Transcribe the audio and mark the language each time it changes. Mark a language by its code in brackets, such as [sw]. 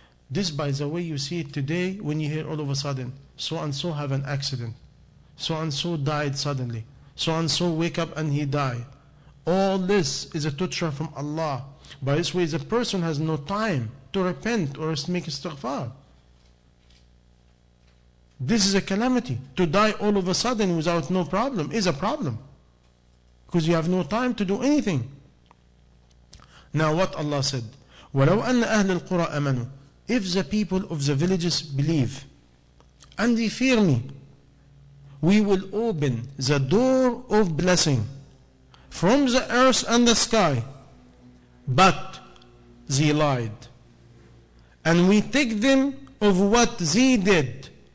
[en] This, by the way, you see it today when you hear all of a sudden, so-and-so have an accident, so-and-so died suddenly, so-and-so wake up and he died. All this is a torture from Allah. By this way, the person has no time to repent or make istighfar. This is a calamity. To die all of a sudden without no problem is a problem. Because you have no time to do anything. Now what Allah said, [ar] وَلَوْ أَنَّ أَهْلِ الْقُرَىٰ أَمَنُوا. [en] If the people of the villages believe, and they fear me, we will open the door of blessing from the earth and the sky. But they lied. And we take them of what they did.